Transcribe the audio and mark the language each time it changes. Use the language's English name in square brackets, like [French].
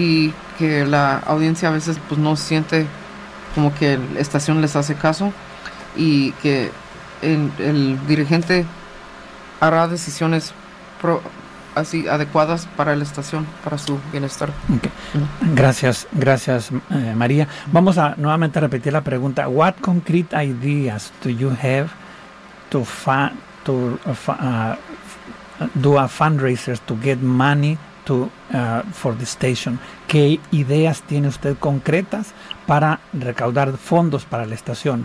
[Spanish] Y que la audiencia a veces pues no siente como que la estación les hace caso, y que el dirigente hará decisiones así adecuadas para la estación, para su bienestar. Okay. Gracias, María. Vamos a nuevamente repetir la pregunta. [English] What concrete ideas do you have to do a fundraiser to get money for the station? [Spanish] ¿Qué ideas tiene usted concretas para recaudar fondos para la estación?